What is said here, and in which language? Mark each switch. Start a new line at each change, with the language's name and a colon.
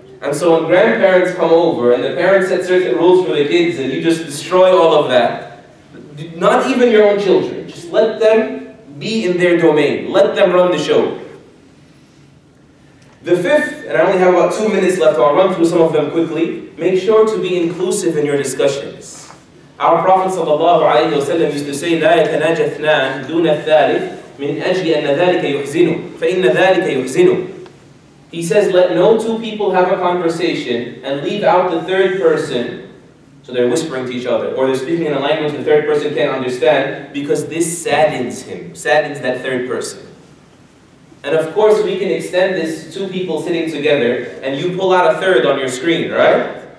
English: And so when grandparents come over and the parents set certain rules for the kids and you just destroy all of that, not even your own children, just let them be in their domain. Let them run the show. The fifth, and I only have about 2 minutes left, so I'll run through some of them quickly. Make sure to be inclusive in your discussions. Our Prophet ﷺ used to say,
Arabic: لا يتناجى اثنان دون الثالث من أجل أن ذلك يحزنه فإن ذلك يحزنه.
English: He says, let no two people have a conversation and leave out the third person. So they're whispering to each other, or they're speaking in a language the third person can't understand, because this saddens him, saddens that third person. And of course, we can extend this to two people sitting together, and you pull out a third on your screen, right?